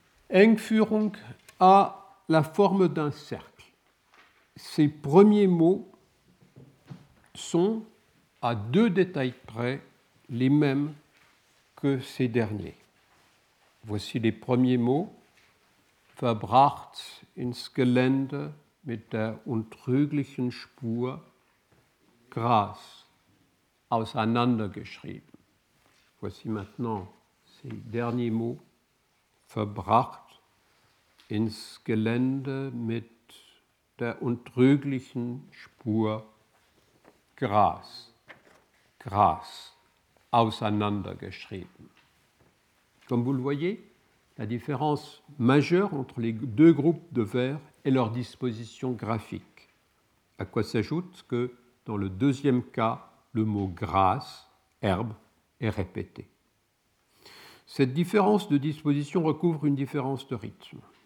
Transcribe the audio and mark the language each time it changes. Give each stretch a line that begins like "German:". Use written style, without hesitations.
French: Engführung a la forme d'un cercle. Ses premiers mots sont, à deux détails près, les mêmes que ses derniers. Voici les premiers mots.
German: Verbracht ins Gelände mit der untrüglichen Spur, Gras, auseinandergeschrieben.
French: Voici maintenant ces derniers mots.
German: Verbracht ins Gelände mit der untrüglichen Spur, Gras, Gras, auseinandergeschrieben.
French: Comme vous le voyez, la différence majeure entre les deux groupes de vers est leur disposition graphique, à quoi s'ajoute que, dans le deuxième cas, le mot « grâce », « herbe », est répété. Cette différence de disposition recouvre une différence de rythme.